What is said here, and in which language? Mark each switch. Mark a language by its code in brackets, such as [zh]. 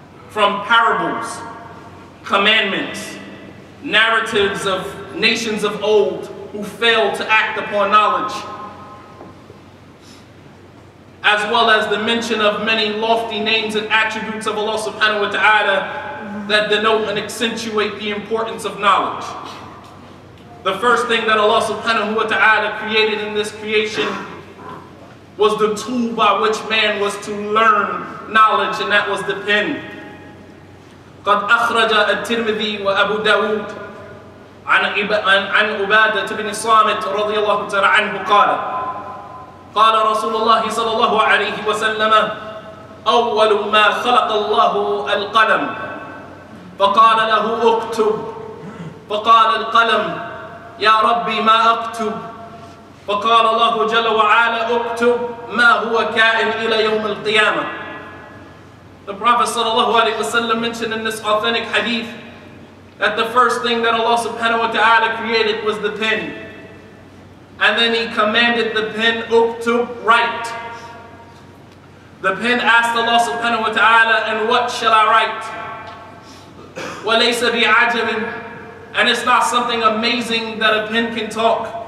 [en] From parables, commandments, narratives of nations of old who failed to act upon knowledge, as well as the mention of many lofty names and attributes of Allah subhanahu wa ta'ala that denote and accentuate the importance of knowledge. The first thing that Allah subhanahu wa ta'ala created in this creation was the tool by which man was to learn knowledge, and that was the pen. [ar] قَدْ أَخْرَجَ الْتِرْمِذِي وَأَبُو دَاوُودَ عَنْ عُبَادَةَ بْنِ صَامِتَ رَضِيَ اللَّهُ تَعَالَى عَنْهُ قَالَ قال رسول الله صلى الله عليه وسلم أول ما خلق الله القلم فقال له اكتب فقال القلم يا ربي ما اكتب فقال الله جل وعلا اكتب ما هو كائن إلى يوم القيامة [en] The Prophet صلى الله عليه وسلم mentioned in this authentic hadith that the first thing that Allah subhanahu wa ta'ala created was the pen. And then he commanded the pen, Uktub, write. The pen asked Allah subhanahu wa ta'ala, and what shall I write? [ar] وَلَيْسَ بِعَجَبٍ [en] And it's not something amazing that a pen can talk.